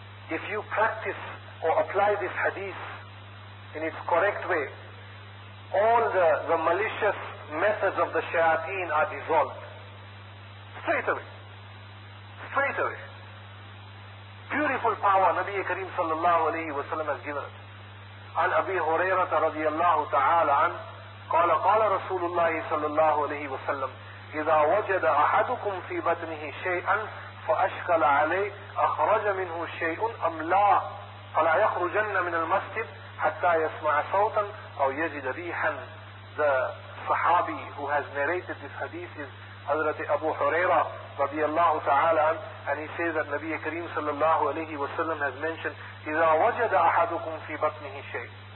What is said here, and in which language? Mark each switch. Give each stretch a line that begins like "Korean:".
English: If you practice or apply this hadith in its correct way, all the malicious methods of the shayateen are dissolved. Straight away. Straight away. Beautiful power Nabi Kareem sallallahu alayhi wa sallam has given us.
Arabic: An Abi Hurairah radiallahu ta'ala an, qala Rasulullah sallallahu alayhi wa sallam, إِذَا وَجَدَ أَحَدُكُمْ فِي بَطْنِهِ شَيْئًا فَأَشْكَلَ عَلَيْهِ أَخْرَجَ مِنْهُ شَيْءٌ أَمْ لَا فَلَا يَخْرُجَنَّ مِنَ الْمَسْجِدِ حَتَّى يَسْمَعَ صَوْتًا أَوْ يَجِدَ رِيحًا.
English: The Sahabi who has narrated this hadith is Hazrat Abu Huraira radiallahu ta'ala, and he says that Nabi Kareem sallallahu alayhi wa sallam has mentioned,
Arabic: إِذَا وَجَدَ أَحَدُكُمْ فِي بَطْنِهِ شَيْءٌ.